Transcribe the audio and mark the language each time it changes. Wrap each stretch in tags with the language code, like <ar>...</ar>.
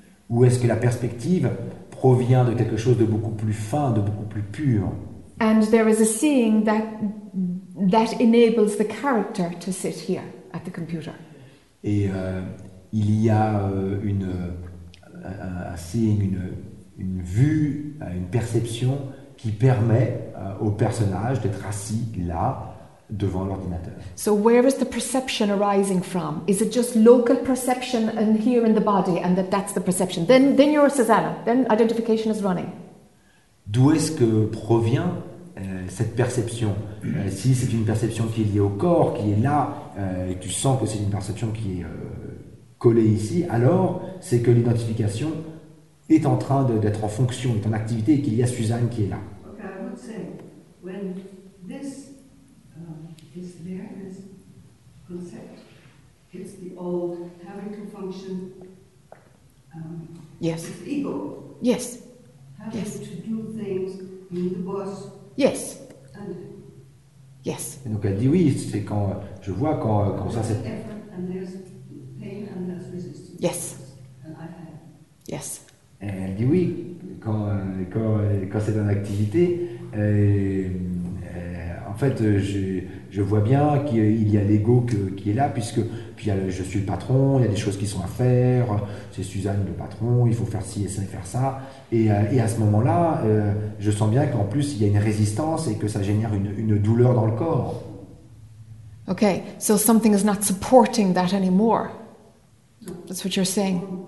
<fr>Ou est-ce que la perspective provient de quelque chose de beaucoup plus fin, de beaucoup plus pur?</fr> <en>And there is a seeing that enables the character to sit here at the computer.</en> <fr>Et il y a un seeing, une vue, une perception qui permet au personnage d'être assis là devant l'ordinateur.</fr> <en>So where is the perception arising from? Is it just local perception and here in the body and that's the perception? Then you're Susanna. Then identification is running.</en> <fr>D'où est-ce que provient cette perception? Si c'est une perception qui est liée au corps, qui est là, et tu sens que c'est une perception qui est collée ici, alors c'est que l'identification est en train d'être en fonction, est en activité, et qu'il y a Suzanne qui est là.</fr> <en>Okay, I would say, when this is there, this concept, it's the old having to function, yes. It's ego. Yes. Having yes. to do things, being the boss. Yes. Yes.</en> <fr>Et donc elle dit oui, c'est quand je vois quand ça c'est.</fr> <en>And there's pain and there's resistance. Yes. And I yes.</en> <fr>Et elle dit oui, quand c'est dans l'activité, en fait je vois bien qu'il y a l'ego qui est là, puisque puis je suis le patron, il y a des choses qui sont à faire, c'est Suzanne le patron, il faut faire ci et ça et faire ça. Et à ce moment-là, je sens bien qu'en plus, il y a une résistance et que ça génère une douleur dans le corps.</fr> <en>Ok, so something is not supporting that anymore. That's what you're saying.</en>